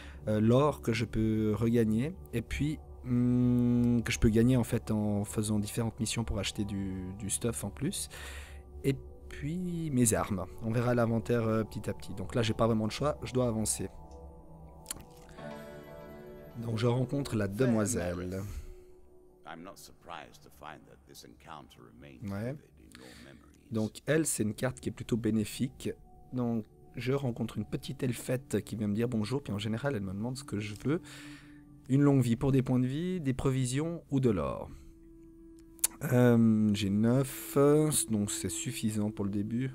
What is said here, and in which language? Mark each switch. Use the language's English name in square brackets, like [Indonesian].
[French] L'or que je peux regagner et puis que je peux gagner en fait en faisant différentes missions pour acheter du stuff en plus. Et puis mes armes. On verra l'inventaire petit à petit. Donc là j'ai pas vraiment de choix, je dois avancer. Donc je rencontre la demoiselle. [English] I'm not surprised to find that this encounter remains [French] Ouais. [English] vivid in your memories. [French] Donc elle, c'est une carte qui est plutôt bénéfique. Donc je rencontre une petite elfette qui vient me dire bonjour, puis en général elle me demande ce que je veux. Une longue vie pour des points de vie, des provisions ou de l'or. J'ai 9, donc c'est suffisant pour le début.